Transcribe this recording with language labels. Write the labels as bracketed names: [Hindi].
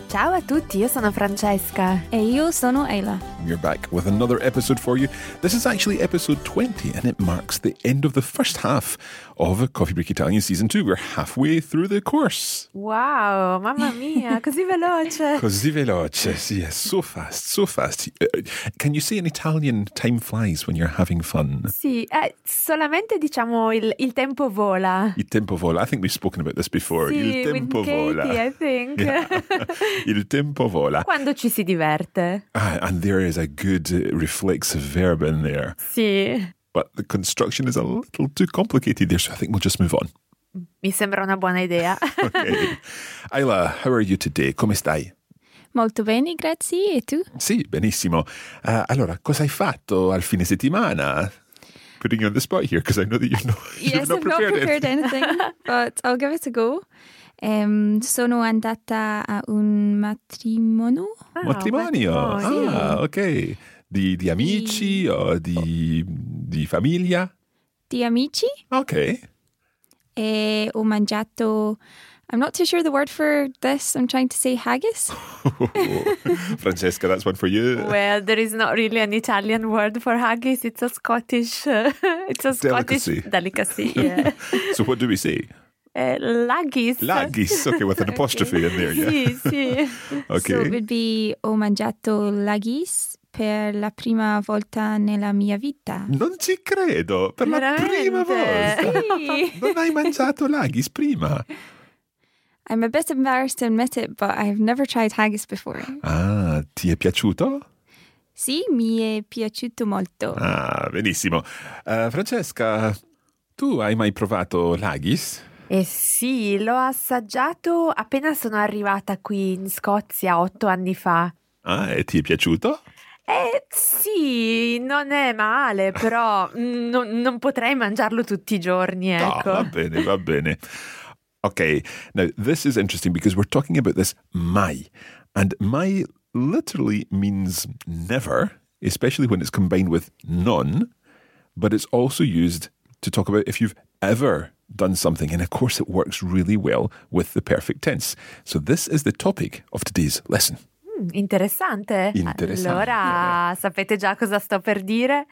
[Italian] Ciao a tutti, io sono Francesca. E io sono Ayla. [English] We're back with another episode for you. This is actually episode 20 and it marks the end of the first half of Coffee Break Italian season 2. We're halfway through the course. [Italian] Wow, mamma mia, così veloce. Così veloce, [English] yes, so fast, so fast. Can you say in Italian, time flies when you're having fun? [Italian] Sì, solamente diciamo il tempo vola. Il tempo vola, [English] I think we've spoken about this before. [Italian] Sì, il tempo [English] with Katie, [Italian] vola. [English] I think. Yeah. [Italian] Il tempo vola. Quando ci si diverte. [English] And there is a good reflexive verb in there. [Italian] Sì. [English] But the construction is a little too complicated there, so I think we'll just move on. [Italian] Mi sembra una buona idea. [English] Okay. Ayla, how are you today? [Italian] Come stai? Molto bene, grazie. E tu? Sì, benissimo. Allora, cosa hai fatto al fine settimana? [English] Putting you on the spot here, because I know that you're not, yes, you're not prepared. Yes, I've not prepared anything, but I'll give it a go. [Italian] Sono andata a un matrimonio. Oh, matrimonio? Matrimonio. Ah, sì. Ok. Di amici o di famiglia? Di amici. Ok. E ho mangiato, [English] I'm not too sure the word for this, I'm trying to say haggis. Francesca, that's one for you. Well, there is not really an Italian word for haggis, it's a Scottish, delicacy. Delicacy, yeah. So what do we say? Laggis. Laggis, okay, with an apostrophe okay. In there, yeah. [Italian] Sì, sì. [English] Okay. So it would be, [Italian] ho mangiato laggis per la prima volta nella mia vita. Non ci credo, per veramente? La prima volta. Sì. Non hai mangiato laggis prima? [English] I'm a bit embarrassed to admit it, but I've never tried haggis before. [Italian] Ah, ti è piaciuto? Sì, mi è piaciuto molto. Ah, benissimo. Francesca, tu hai mai provato laggis? Sì, l'ho assaggiato appena sono arrivata qui in Scozia 8 anni fa. Ah, e ti è piaciuto? Sì, non è male, però non potrei mangiarlo tutti i giorni, ecco. No, va bene, va bene. [English] Ok, now this is interesting because we're talking about this mai. And mai literally means never, especially when it's combined with non, but it's also used to talk about if you've ever done something, and of course it works really well with the perfect tense. So this is the topic of today's lesson. [Italian] Interessante. Interessante. Allora, sapete già cosa sto per dire?